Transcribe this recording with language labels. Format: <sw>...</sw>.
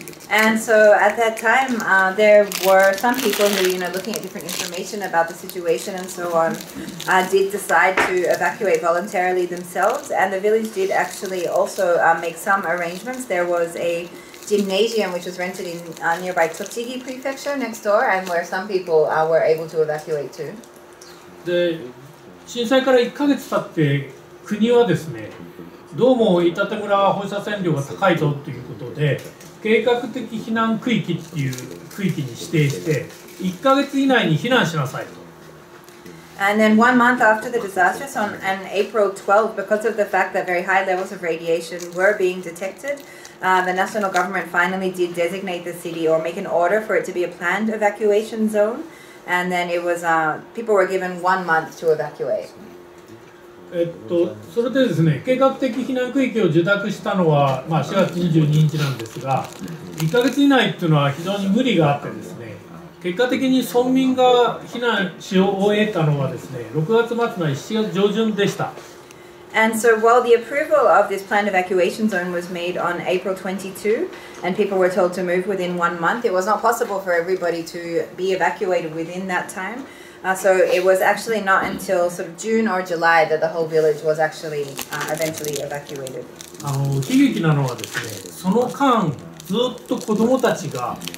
<en>And so at that time, there were some people who, you know, looking at different information about the situation and so on, did decide to evacuate voluntarily themselves. And the village did actually also make some arrangements. There was a gymnasium which was rented in nearby Tochigi Prefecture next door, and where some people were able to evacuate to.</en> <ja>で、震災から1ヶ月経って国はですね。どうも飯舘村は放射線量が高いぞということで計画的避難区域っていう区域に指定して1ヶ月以内に避難しなさいと。</ja> <en>And then one month after the disaster, so on April 12th, because of the fact that very high levels of radiation were being detected, the national government finally did designate the city or make an order for it to be a planned evacuation zone. And then it was, people were given one month to evacuate.</en> <ja>それでですね、計画的避難区域を受諾したのは、まあ、4月22日なんですが、1ヶ月以内というのは非常に無理があってですね、結果的に村民が避難し終えたのはですね、6月末の7月上旬でした。</ja> <en>And so while the approval of this planned evacuation zone was made on April 22 and people were told to move within one month, it was not possible for everybody to be evacuated within that time. So it was actually not until sort of June or July that the whole village was actually eventually evacuated.</en> <ja>悲劇なのはですね、その間ずっと子どもたちが</ja>